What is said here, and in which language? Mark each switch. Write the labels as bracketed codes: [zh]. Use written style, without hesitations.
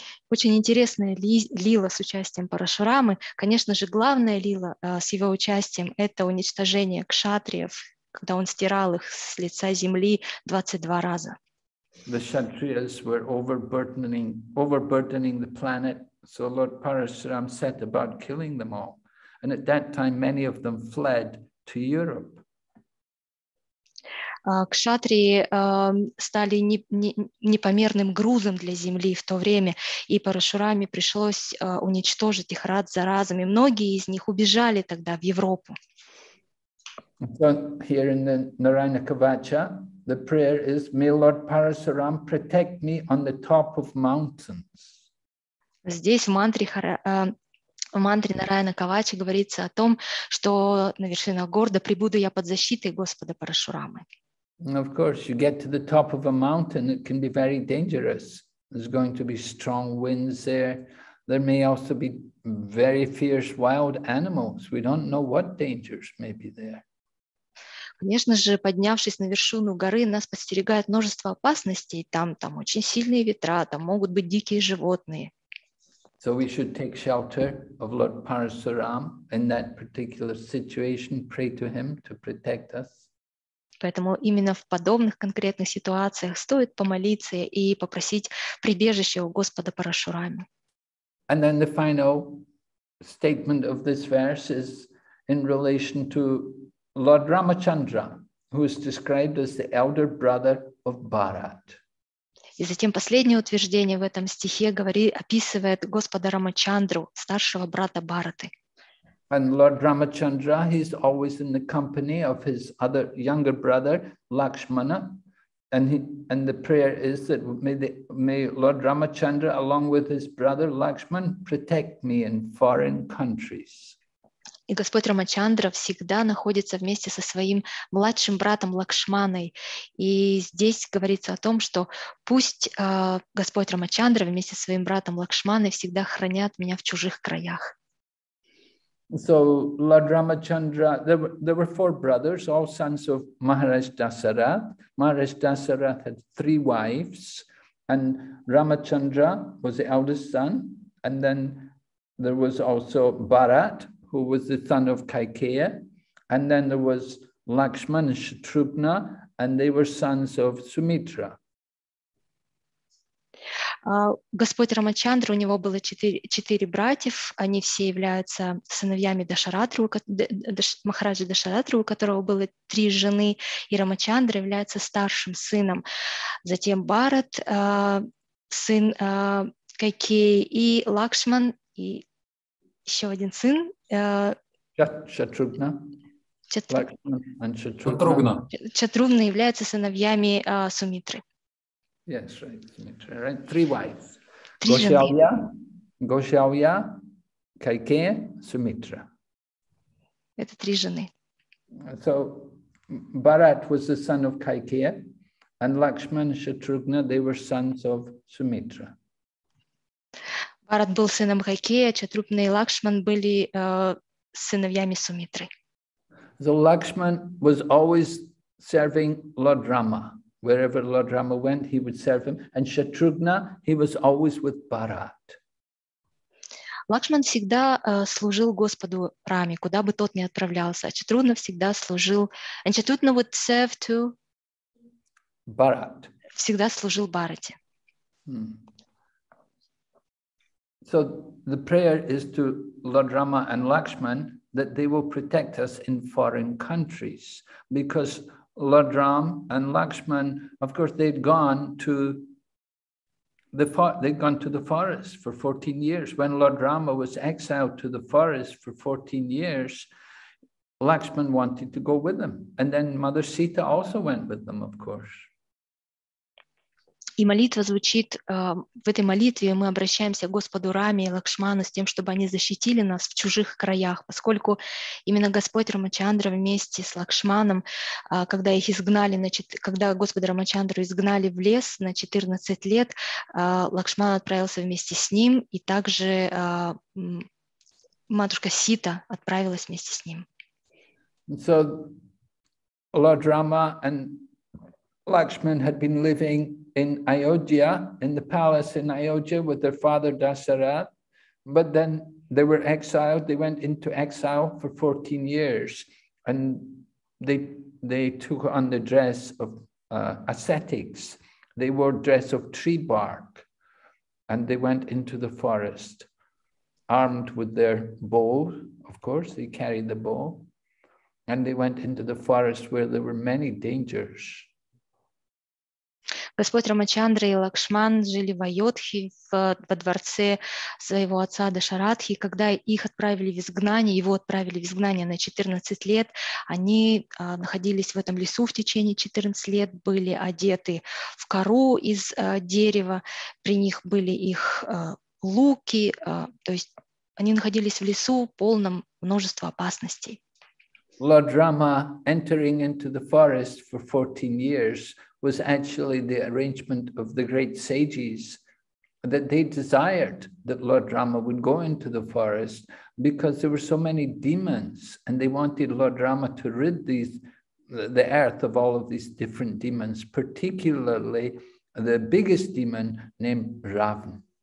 [ru] Очень интересная лила с участием Парашурамы. Конечно же, главная лила с его участием – это уничтожение кшатриев, когда он стирал их с лица земли 22 раза. [en] The Kshatriyas were overburdening the planet, so Lord Parashuram set about killing them all. And at that time, many of them fled to Europe. [ru] Кшатрии стали непомерным грузом для земли в то время, и Парашураме пришлось уничтожить их раз за разом, и многие из них убежали тогда в Европу. [en] So here in the Narayana Kavacha, the prayer is, may Lord Parasuram protect me on the top of mountains. [ru] Здесь в мантре Нарайана Кавачи говорится о том, что на вершинах гор да пребуду я под защитой Господа Парашурамы. [en] Of course, you get to the top of a mountain, it can be very dangerous. There's going to be strong winds there. There may also be very fierce wild animals. We don't know what dangers may be there. [ru] Конечно же, поднявшись на вершину горы, нас подстерегает множество опасностей. Там очень сильные ветра, там могут быть дикие животные. [en] So we should take shelter of Lord Parasuram in that particular situation, pray to him to protect us. [ru] Поэтому именно в подобных конкретных ситуациях стоит помолиться и попросить прибежище у Господа Парашурамы. [en] And then the final statement of this verse is in relation to Lord Ramachandra, who is described as the elder brother of Bharat. [ru] И затем последнее утверждение в этом стихе описывает Господа Рамачандру, старшего брата Бхараты. [en] And Lord Ramachandra, he's always in the company of his other younger brother, Lakshmana. And the prayer is that may Lord Ramachandra, along with his brother Lakshman, protect me in foreign countries. [ru] И Господь Рамачандра всегда находится вместе со своим младшим братом Лакшманой. И здесь говорится о том, что пусть Господь Рамачандра вместе со своим братом Лакшманой всегда хранят меня в чужих краях. [en] So Lord Ramachandra, there were four brothers, all sons of Maharaj Dasarath. Maharaj Dasarath had three wives, and Ramachandra was the eldest son, and then there was also Bharat, who was the son of Kaikeya, and then there was Lakshman and Shatrughna, and they were sons of Sumitra. [ru] Господь Рамачандра, у него было четыре братьев, они все являются сыновьями Дашаратры, Махараджи Дашаратры, у которого было три жены, и Рамачандра является старшим сыном. Затем Бхарат, сын Кайкеи, и Лакшман, и еще один сын. Шатругна является сыновьями Сумитры. [en] Yes, right. Right. Three wives. [ru] Гошалья, Кайкея, Сумитра. Это три жены. [en] So Bharat was the son of Кайкея, and Лакшман, Шатругна, they were sons of Sumitra. [ru] Bharat был сыном Кайкея, Шатругна и Лакшман были сыновьями Сумитры. [en] So Лакшман was always serving Lord Rama. Wherever Lord Rama went, he would serve him. And Shatrughna, he was always with Bharat. [ru] Лакшман всегда служил Господу Раме, куда бы тот ни отправлялся. [en] Шатрughna [ru] всегда служил. [en] And Shatrughna would serve to Bharat. [ru] Всегда служил Бхарате. [en] So the prayer is to Lord Rama and Lakshman that they will protect us in foreign countries, because Lord Ram and Lakshman, of course, they'd gone to the forest for 14 years. When Lord Rama was exiled to the forest for 14 years, Lakshman wanted to go with them. And then Mother Sita also went with them, of course. [ru] И молитва звучит, в этой молитве мы обращаемся к Господу Раме и Лакшману с тем, чтобы они защитили нас в чужих краях, поскольку именно Господь Рамачандра вместе с Лакшманом, когда их изгнали, когда Господа Рамачандру изгнали в лес на 14 лет, Лакшман отправился вместе с ним, и также матушка Сита отправилась вместе с ним. [en] So, Lord Rama and Lakshman had been living in Ayodhya, in the palace in Ayodhya with their father Dasarath, but then they were exiled, they went into exile for 14 years, and they took on the dress of ascetics. They wore dress of tree bark, and they went into the forest, armed with their bow, of course, they carried the bow, and they went into the forest where there were many dangers. [ru] Господь Рамачандра и Лакшман жили в Айодхе, во дворце своего отца Дашаратхи. Когда их отправили в изгнание, его отправили в изгнание на 14 лет, они находились в этом лесу в течение 14 лет, были одеты в кору из дерева, при них были их луки, то есть они находились в лесу, полном множества опасностей. [en] Lord Rama entering into the forest for 14 years was actually the arrangement of the great sages, that they desired that Lord Rama would go into the forest because there were so many demons, and they wanted Lord Rama to rid the earth of all of these different demons, particularly the biggest demon named Ravana.